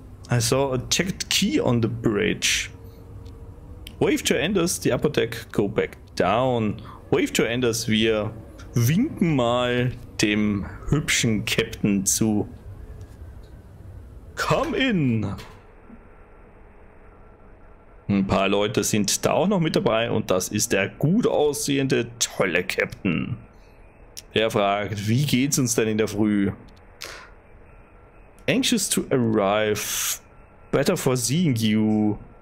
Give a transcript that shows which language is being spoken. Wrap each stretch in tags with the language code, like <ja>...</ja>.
<en>I saw a checked key on the bridge. Wave to Enders, the upper deck, go back down. Wave to Enders,</en> <de>wir winken mal dem hübschen Captain zu.</de> <en>Come in!</en> <de>Ein paar Leute sind da auch noch mit dabei und das ist der gut aussehende, tolle Captain. Er fragt, wie geht's uns denn in der Früh?</de> <en>Anxious to arrive, better for seeing you.</en>